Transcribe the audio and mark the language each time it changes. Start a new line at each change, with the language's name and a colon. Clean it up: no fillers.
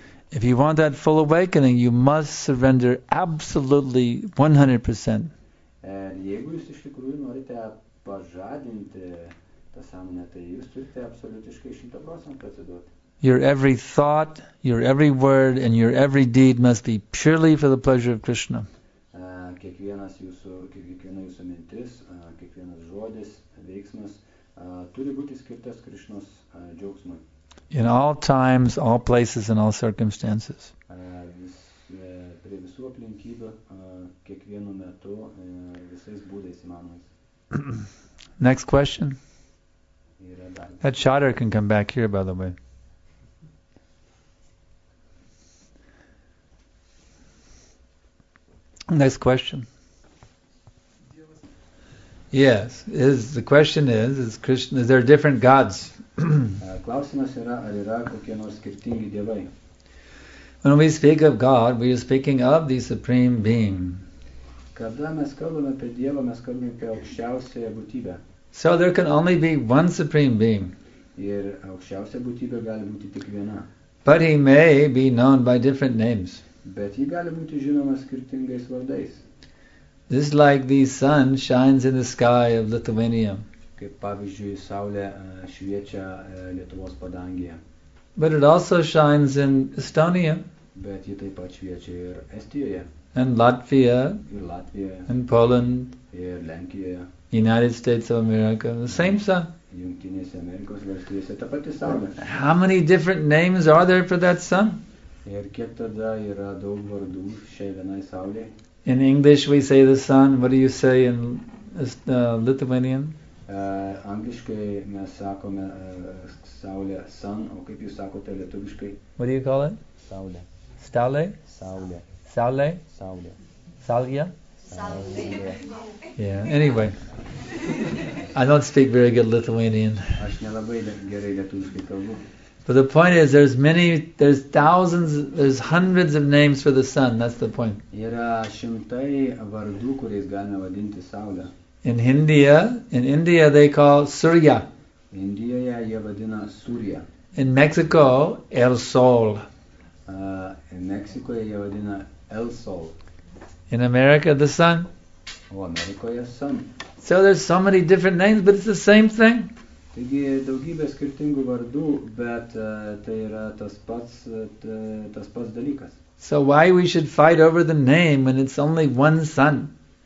English: If you want that full awakening, you must surrender absolutely 100%.
Lithuanian: Jeigu jūs iš tikrųjų norite pažadinti tą sąmonę, tai jūs turite absoliutiškai 100% atsiduoti.
English: Your every thought, your every word, and your every deed must be purely for the pleasure of Krishna.
Lithuanian: Kiekvienas jūsų mintis, kiekvienas žodis, veiksmas turi būti skirtas Krishnos džiaugsmui.
English: In all times, all places, and all circumstances.
Lithuanian: Prie visų aplinkybių, kiekvienu metu, visais būdais įmanomais.
English: Next question. That chatter can come back here, by the way. Next question. Yes, the question is Krishna, is there different gods?
Lithuanian: Klausimas yra, ar yra kokie nors skirtingi dievai?
English: When we speak of God, we are speaking of the Supreme Being.
Lithuanian: Kada mes kalbame apie Dievą, mes kalbame apie aukščiausią būtybę.
English: So there can only be one Supreme Being.
Lithuanian: Ir aukščiausia būtybė gali būti tik viena.
English: But he may be known by different names.
Lithuanian: Bet jį gali būti žinomas skirtingais vardais.
English: This is like the sun shines in the sky of Lithuania.
Lithuanian: Kaip pavyzdžiui, saulė šviečia Lietuvos padangėje.
English: But it also shines in Estonia.
Lithuanian: Bet ji taip pat šviečia ir Estijoje.
English: And Latvia.
Lithuanian: Ir Latvijoje.
English: And Poland.
Lithuanian: Ir Lenkijoje.
English: United States of America. The same sun.
Lithuanian: Jungtinėse Amerikos valstijose ta pati saulė.
English: How many different names are there for that sun?
Lithuanian: Ir kiek tada yra daug vardų šiai vienai saulėje?
English: In English we say the sun. What do you say in Lithuanian?
Lithuanian: Angliškai mes sakome saulė, sun, o kaip jūs sakote lietuviškai?
English: What do you call it?
Lithuanian: Saulė. Staulė? Saulė. Saulė? Saulė. Salgia? Saulė.
English: Yeah, anyway. I don't speak very good Lithuanian.
Lithuanian: Aš nelabai gerai lietuviškai kalbu.
English: But the point is, there's hundreds of names for the sun. That's the point.
Lithuanian: Yra šimtai vardų, kuriais galima vadinti saulę.
English: In India, they call Surya.
Lithuanian: Indijoje jie vadina Surya.
English: In Mexico, El Sol.
Lithuanian: In Meksikoje jie vadina El Sol.
English: In America, the sun.
Lithuanian: O Amerikoje sun.
English: So there's so many different names, but it's the same thing.
Lithuanian: Taigi daugybė skirtingų vardų, bet tai yra tas pats dalykas.
English: So why we should fight over the name when it's only one sun?